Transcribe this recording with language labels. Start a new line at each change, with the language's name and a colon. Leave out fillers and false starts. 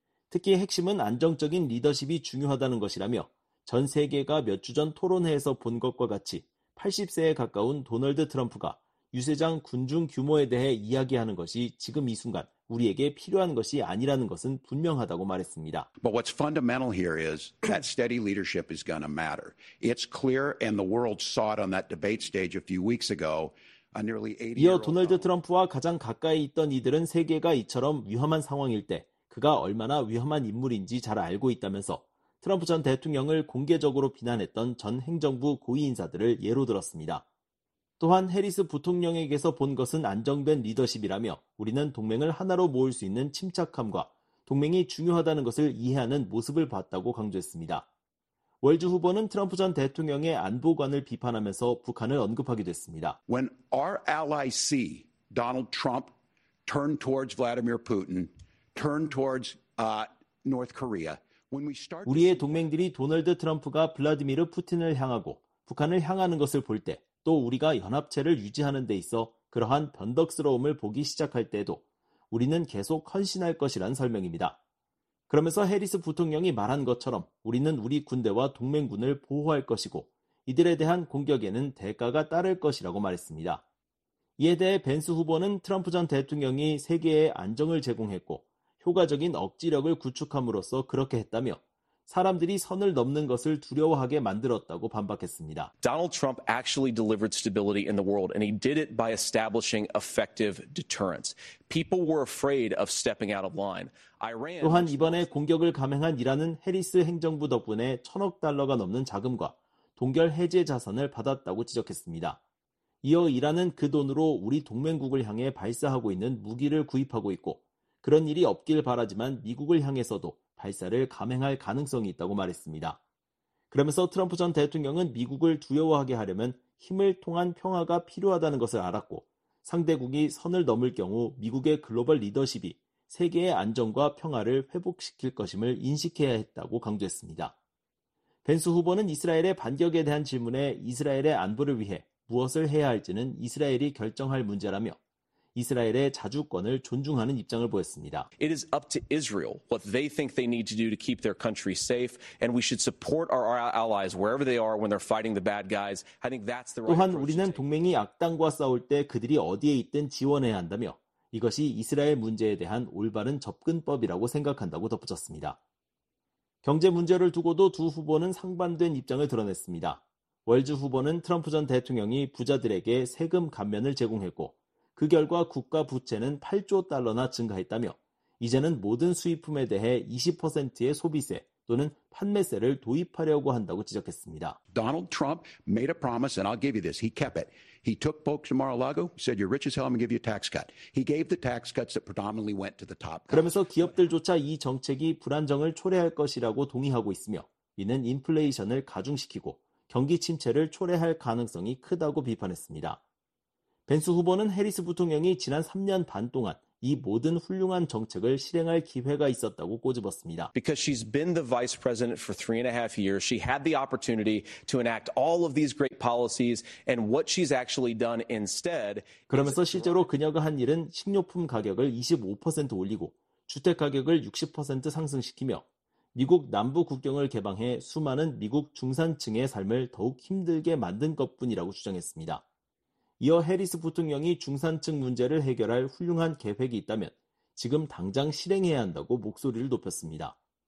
Korean: 특히 핵심은 안정적인 리더십이 중요하다는 것이라며 전 세계가 몇 주 전 토론회에서 본 것과 같이 80세에 가까운 도널드 트럼프가 유세장 군중 규모에 대해 이야기하는 것이 지금 이 순간 우리에게 필요한 것이 아니라는 것은 분명하다고 말했습니다.
English: But what's fundamental here is that steady leadership is going to matter. It's clear and the world saw it on that debate stage a few weeks ago.
Korean: 이어 도널드 트럼프와 가장 가까이 있던 이들은 세계가 이처럼 위험한 상황일 때 그가 얼마나 위험한 인물인지 잘 알고 있다면서 트럼프 전 대통령을 공개적으로 비난했던 전 행정부 고위 인사들을 예로 들었습니다. 또한 해리스 부통령에게서 본 것은 안정된 리더십이라며 우리는 동맹을 하나로 모을 수 있는 침착함과 동맹이 중요하다는 것을 이해하는 모습을 봤다고 강조했습니다. 월즈 후보는 트럼프 전 대통령의 안보관을 비판하면서 북한을 언급하기도 했습니다.
English: When our ally see Donald Trump turn towards Vladimir Putin, turn towards North Korea, when we start
Korean: 우리의 동맹들이 도널드 트럼프가 블라디미르 푸틴을 향하고 북한을 향하는 것을 볼 때 또 우리가 연합체를 유지하는 데 있어 그러한 변덕스러움을 보기 시작할 때도 우리는 계속 헌신할 것이란 설명입니다. 그러면서 해리스 부통령이 말한 것처럼 우리는 우리 군대와 동맹군을 보호할 것이고 이들에 대한 공격에는 대가가 따를 것이라고 말했습니다. 이에 대해 벤스 후보는 트럼프 전 대통령이 세계에 안정을 제공했고 효과적인 억지력을 구축함으로써 그렇게 했다며 사람들이 선을 넘는 것을 두려워하게 만들었다고 반박했습니다.
English: Donald Trump actually delivered stability in the world, and he did it by establishing effective deterrence. People were afraid of stepping out of line.
Korean: 또한 이번에 공격을 감행한 이란은 해리스 행정부 덕분에 천억 달러가 넘는 자금과 동결 해제 자산을 받았다고 지적했습니다. 이어 이란은 그 돈으로 우리 동맹국을 향해 발사하고 있는 무기를 구입하고 있고 그런 일이 없길 바라지만 미국을 향해서도 발사를 감행할 가능성이 있다고 말했습니다. 그러면서 트럼프 전 대통령은 미국을 두려워하게 하려면 힘을 통한 평화가 필요하다는 것을 알았고 상대국이 선을 넘을 경우 미국의 글로벌 리더십이 세계의 안정과 평화를 회복시킬 것임을 인식해야 했다고 강조했습니다. 벤스 후보는 이스라엘의 반격에 대한 질문에 이스라엘의 안보를 위해 무엇을 해야 할지는 이스라엘이 결정할 문제라며 이스라엘의 자주권을 존중하는 입장을 보였습니다.
English: It is up to Israel what they think they need to do to keep their country safe, and we should support our allies wherever they are when they're fighting the bad guys. I think that's the right.
Korean: 또한 우리는 동맹이 악당과 싸울 때 그들이 어디에 있든 지원해야 한다며 이것이 이스라엘 문제에 대한 올바른 접근법이라고 생각한다고 덧붙였습니다. 경제 문제를 두고도 두 후보는 상반된 입장을 드러냈습니다. 월즈 후보는 트럼프 전 대통령이 부자들에게 세금 감면을 제공했고 그 결과 국가 부채는 8조 달러나 증가했다며 이제는 모든 수입품에 대해 20%의 소비세 또는 판매세를 도입하려고 한다고 지적했습니다.
English: Donald Trump made a promise and I'll give you this. He kept it. He took folks to Mar-a-Lago, said you're rich as hell and give you a tax cut. He gave the tax cuts that predominantly went to the top.
Korean: 그러면서 기업들조차 이 정책이 불안정을 초래할 것이라고 동의하고 있으며 이는 인플레이션을 가중시키고 경기 침체를 초래할 가능성이 크다고 비판했습니다. 벤스 후보는 해리스 부통령이 지난 3년 반 동안 이 모든 훌륭한 정책을 실행할 기회가 있었다고 꼬집었습니다.
English: Because she's been the vice president for 3.5 years, she had the opportunity to enact all of these great policies and what she's actually done instead.
Korean: 그러면서 실제로 그녀가 한 일은 식료품 가격을 25% 올리고 주택 가격을 60% 상승시키며 미국 남부 국경을 개방해 수많은 미국 중산층의 삶을 더욱 힘들게 만든 것뿐이라고 주장했습니다. 이어 해리스 부통령이 중산층 문제를 해결할 훌륭한 계획이 있다면 지금 당장 실행해야 한다고 목소리를 높였습니다.